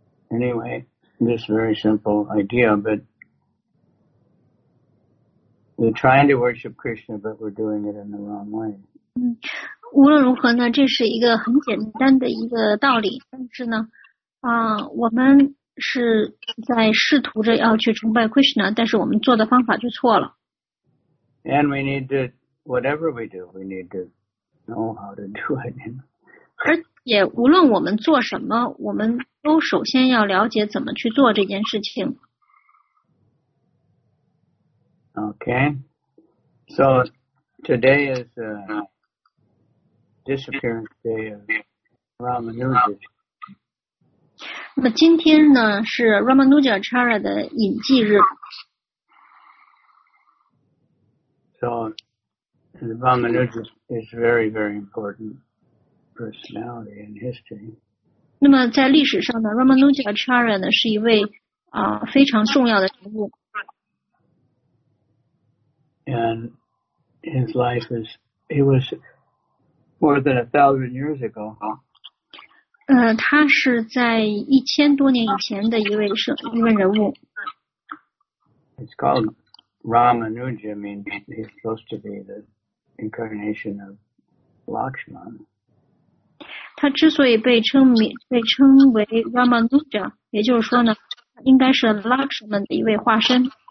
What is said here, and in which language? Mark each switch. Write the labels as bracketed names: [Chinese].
[English] Anyway, this is a very simple idea, but. We're trying to worship Krishna, but we're doing it in the wrong way. [Chinese] 无论如何呢，这是一个很简单的一个道理。但是呢，我们是在试图着要去崇拜 Krishna， 但是我们做的方法就错了。 [English] And we need to, whatever we do, we need to know how to do it. [Chinese] 而且无论我们做什么，我们都首先要了解怎么去做这件事情。 [English] Okay, so today is the disappearance day of Ramanuja. [Chinese] 那么今天呢是 Ramanuja Chara 的隐迹日。 [English] So Ramanuja is very, very important personality in history. [Chinese] 那么在历史上呢 ，Ramanuja Chara 呢是一位非常重要的人物。 [English] And his life is, he was more than 1,000 years ago. [Chinese] 他是在一千多年以前的一位人物。 [English] It's called Ramanuja, means he's supposed to be the incarnation of Lakshman. [Chinese] 他之所以被称为 Ramanuja, 也就是说呢，应该是 Lakshman 的一位化身。